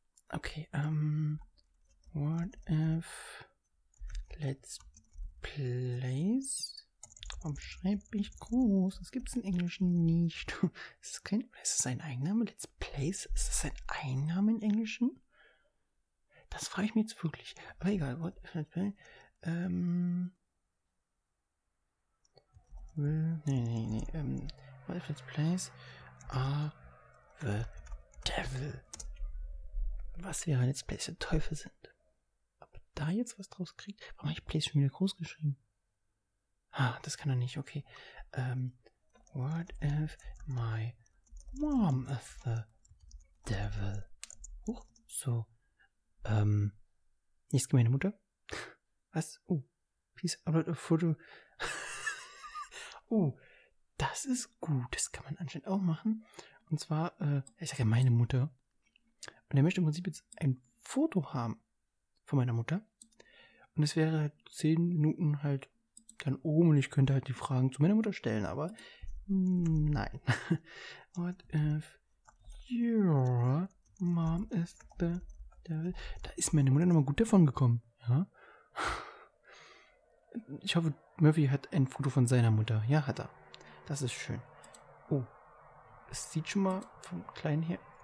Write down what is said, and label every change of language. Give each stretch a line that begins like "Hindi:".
English: Okay, what if let's plays?
German: Warum schreibe ich groß? Das gibt's in Englisch nicht. Ist das ein Eigenname? Let's plays? Ist das ein Eigenname in Englischen? Das frage ich mich jetzt wirklich. Aber egal,
English: what if let's play? What if let's plays are the devil?
German: Was wäre, wenn jetzt Plays der Teufel sind? Ob er da jetzt was draus kriegt? Warum habe ich Plays schon wieder groß geschrieben? Ah, das kann er nicht, okay.
English: What if my mom is the devil?
German: Huch, so. Nichts gegen meine Mutter? Was?
English: Oh, please upload a photo.
German: Oh, das ist gut. Das kann man anscheinend auch machen. Und zwar, ich sage ja meine Mutter. Und er möchte im Prinzip jetzt ein Foto haben von meiner Mutter. Und es wäre 10 Minuten halt dann oben und ich könnte halt die Fragen zu meiner Mutter stellen, aber nein.
English: What if your mom is the devil?
German: Da ist meine Mutter nochmal gut davon gekommen. Ja? Ich hoffe, Murphy hat ein Foto von seiner Mutter. Ja, hat er. Das ist schön. Oh, es sieht schon mal vom Kleinen her...